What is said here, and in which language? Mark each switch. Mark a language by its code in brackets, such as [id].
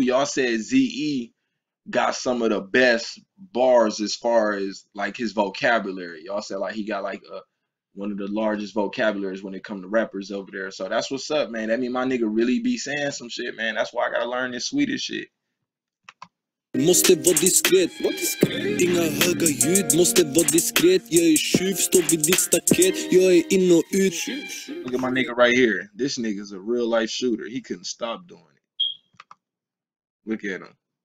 [en] Y'all said ZE got some of the best bars as far as like his vocabulary. Y'all said like he got like one of the largest vocabularies when it come to rappers over there. So that's what's up, man. That mean my nigga really be saying some shit, man. That's why I gotta learn this Swedish shit. [sv] Måste vara diskret, inga höga ljud. Måste vara diskret, jag är tjuv, står vid ditt staket. Jag är in och ut. [en] Look at my nigga right here. This nigga's a real life shooter. He couldn't stop doing it. Look at him.